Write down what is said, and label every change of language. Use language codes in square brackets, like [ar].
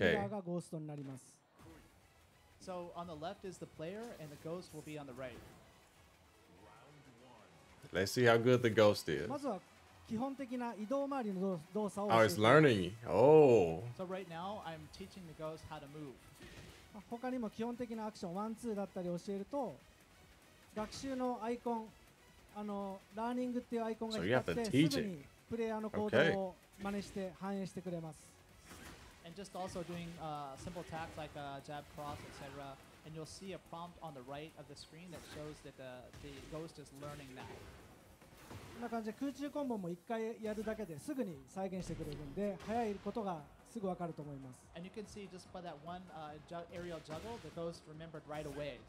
[ja] はい、左側がプレイヤーで右側がゴーストになります。So [en] on the left is the player and the ghost will be on the right. Let's see how good the ghost is. [ja] まずは基本的な移動周りの動作を。Oh, [en] it's learning. Oh. So right now I'm teaching the ghost how to move. [ja] 他にも基本的なアクション1、2だったり教えると学習のアイコン、ラーニングっていうアイコンが光ってすぐにプレイヤーの行動を真似して反映してくれます。 [en] And just also doing simple attacks like jab, cross, etc. And you'll see a prompt on the right of the screen that shows that the ghost is learning that. And you can see just by that one aerial juggle, the ghost remembered right away.